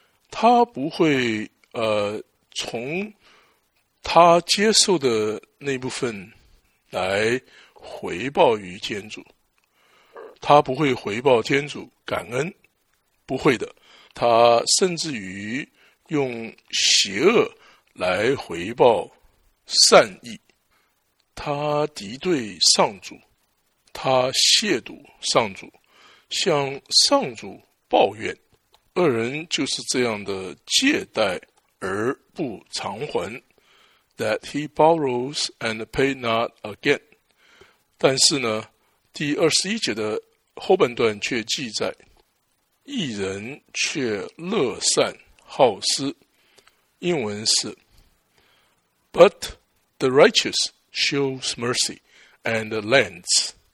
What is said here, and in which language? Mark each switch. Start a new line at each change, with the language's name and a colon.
Chinese: 他不会从他接受的那部分来回报于天主，他不会回报天主感恩，不会的。他甚至于用邪恶来回报善意，他敌对上主，他亵渎上主，向上主抱怨。恶人就是这样的借贷而不偿还。
English: That he borrows and pays not again.
Chinese: 但是呢，第21节的后半段却记载，义人却乐善好施，英文是
English: But the righteous shows mercy and lends。